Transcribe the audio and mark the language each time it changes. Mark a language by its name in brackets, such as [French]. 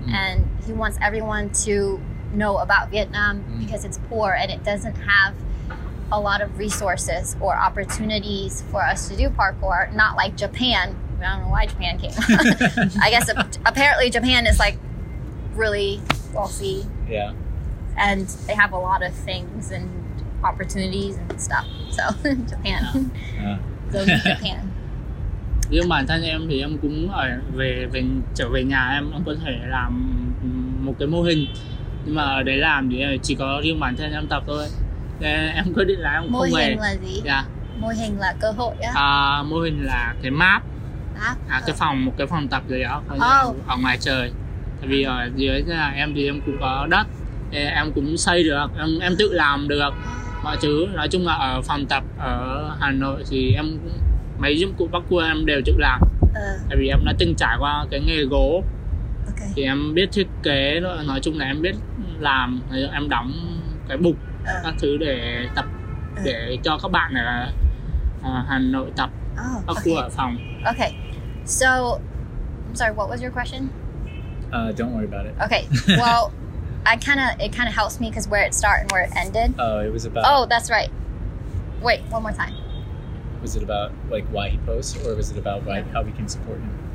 [English] And he wants everyone to know about Vietnam because it's poor and it doesn't have a lot of resources or opportunities for us to do parkour, not like Japan. I don't know why Japan came. I guess apparently Japan is like really wealthy. Yeah. And they have a lot of things and opportunities and stuff. So Japan. Yeah. [Vietnamese] Nhưng bản thân em thì em cũng ở về trở về nhà em có thể làm một cái mô hình. Nhưng mà ở đấy làm thì chỉ có riêng bản thân em tập thôi. Nên em quyết định là em mô không về. Mô hình là gì? [English] Yeah. [Vietnamese] Mô hình là cơ hội á. Mô hình là cái map. Cái phòng, một cái phòng tập gì đó ở ngoài trời. Tại vì ở dưới nhà em thì em cũng có đất, em cũng xây được, em tự làm được mọi thứ. Nói chung là ở phòng tập ở Hà Nội thì em mấy dụng cụ bắc cua em đều tự làm. Tại vì em đã từng trải qua cái nghề gỗ. Thì em biết thiết kế, nói chung là em biết làm, em đóng cái bục các thứ để tập, để cho các bạn ở Hà Nội tập bắc cua ở phòng. [English] Okay, so, I'm sorry, what was your question? Don't worry about it. Okay, well, it kind of helps me because where it started and where it ended. Oh, it was about... Oh, that's right. Wait, one more time. Was it about, like, why he posts, or was it about how we can support him?